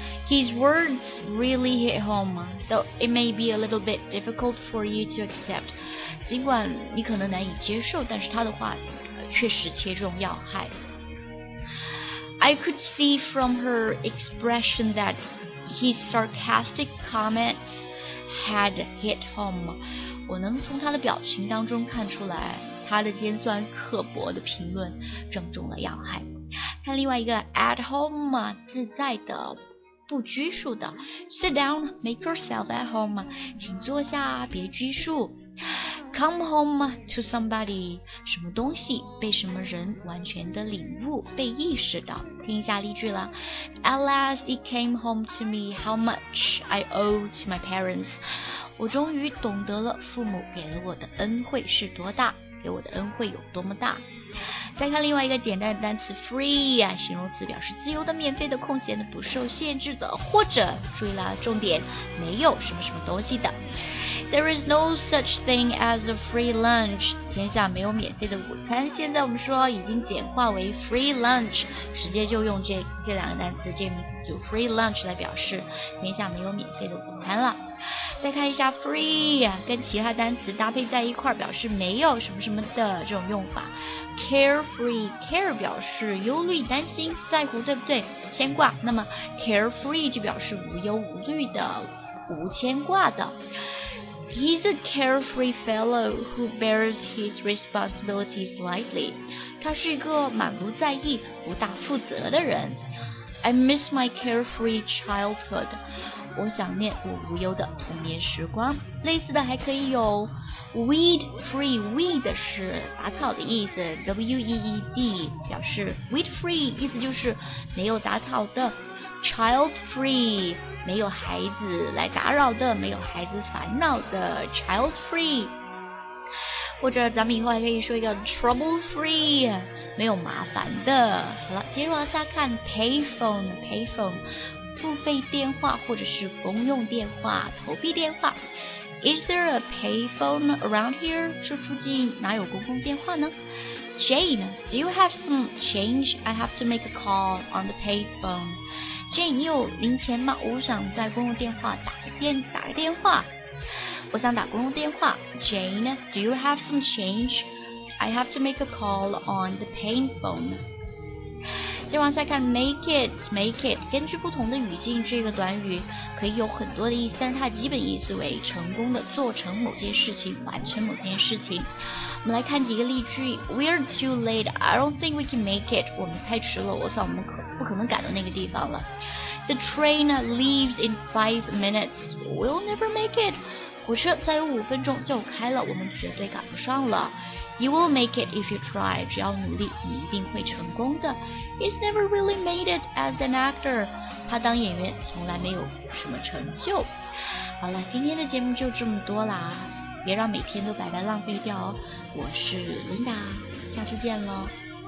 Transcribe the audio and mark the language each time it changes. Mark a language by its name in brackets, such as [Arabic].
[English] His words really hit home, though it may be a little bit difficult for you to accept. [Chinese] 尽管你可能难以接受，但是他的话确实切中要害。 [English] I could see from her expression that his sarcastic comments had hit home. [Chinese] 我能从他的表情当中看出来，他的尖酸刻薄的评论正中了要害。看另外一个 [English] at home, [Chinese] 自在的，不拘束的。 [English] sit down, make yourself at home, [Chinese] 请坐下，别拘束。 [English] come home to somebody, [Chinese] 什么东西被什么人完全的领悟，被意识到。听一下例句了。 [English] at last it came home to me how much I owe to my parents. [Chinese] 我终于懂得了父母给了我的恩惠是多大，给我的恩惠有多么大。再看另外一个简单的单词 free 啊，形容词，表示自由的、免费的、空闲的、不受限制的，或者注意了重点，没有什么什么东西的。 [English] There is no such thing as a free lunch. [Chinese] 天下没有免费的午餐。现在我们说已经简化为 free lunch， 直接就用这两个单词，这名词组 free lunch 来表示天下没有免费的午餐了。再看一下 free 跟其他单词搭配在一块，表示没有什么什么的这种用法。 carefree， care 表示忧虑、担心、在乎，对不对？牵挂。那么 carefree 就表示无忧无虑的、无牵挂的。 [English] He's a carefree fellow who bears his responsibilities lightly. [Chinese] 他是一个满不在意、不大负责的人。 [English] I miss my carefree childhood. [Chinese] 我想念我无忧的童年时光。类似的还可以有 weed free， weed 是杂草的意思， W-E-E-D 表示 weed free， 意思就是没有杂草的。 child free， 没有孩子来打扰的，没有孩子烦恼的， child free。或者咱们以后还可以说一个 trouble free，没有麻烦的。好了，接着往下看 payphone 付费电话或者是公用电话、投币电话。 [English] Is there a payphone around here? [Chinese] 这附近哪有公共电话呢？ [English] Jane, do you have some change? I have to make a call on the payphone. [Chinese] Jane, 你有零钱吗？我想在公用电话打个电话。我想打公用电话。 [English] Jane, do you have some change? I have to make a call on the payphone. [Chinese] 再往下看 make it 根据不同的语境，这个短语可以有很多的意思，但是它基本意思为成功的、做成某件事情、完成某件事情。我们来看几个例句。 [English] We're too late. I don't think we can make it. [Chinese] 我们太迟了，我们不可能赶到那个地方了。 [English] The train leaves in 5 minutes. We'll never make it. [Chinese] 火车再有5分钟就开了，我们绝对赶不上了。 [English] You will make it if you try. [Chinese] 只要努力，你一定会成功的。 [English] He's never really made it as an actor. [Chinese] 他当演员从来没有什么成就。好了，今天的节目就这么多啦，别让每天都白白浪费掉哦。我是 Linda， 下次见喽。